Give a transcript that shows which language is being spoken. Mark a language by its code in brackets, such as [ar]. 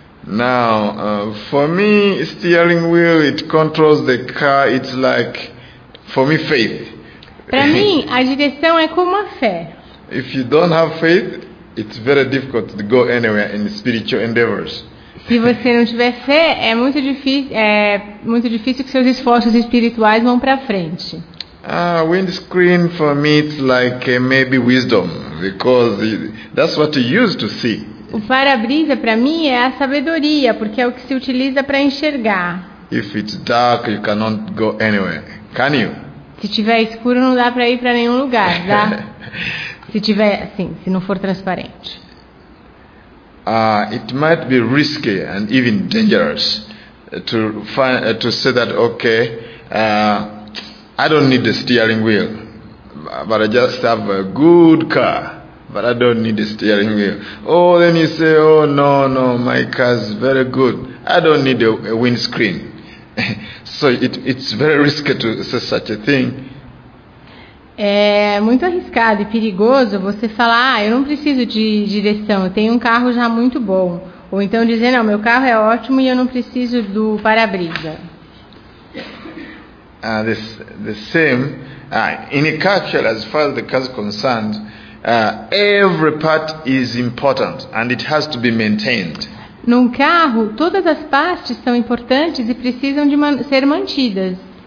[en] Now, for me, steering wheel, it controls the car. It's like, for me, faith. [pt] Para mim, a direção é como a fé. [en] If you don't have faith, it's very difficult to go anywhere in spiritual endeavors. [pt] Se você não tiver fé, é muito difícil que seus esforços espirituais vão para frente. [en] Windscreen for me, it's like maybe wisdom, because that's what you use to see. [pt] O para-brisa para mim é a sabedoria, porque é o que se utiliza para enxergar. [en] If it's dark, you cannot go anywhere, can you? [pt] Se tiver escuro, não dá para ir para nenhum lugar, dá? Se tiver, assim, se não for transparente. [en] It might be risky and even dangerous to say that, okay, I don't need the steering wheel, but I just have a good car. But I don't need a steering wheel. Oh, then you say, oh, no, my car's very good. I don't need a windscreen. So it's very risky to say such a thing. [pt] É muito arriscado e perigoso você falar, eu não preciso de direção, eu tenho um carro já muito bom. Ou então dizer, não, meu carro é ótimo e eu não preciso do para-brisa. [en] The same, in a car, actually, as far as the car is concerned, every part is important and it has to be maintained. [pt] Num carro, todas as partes são importantes e precisam de ser mantidas.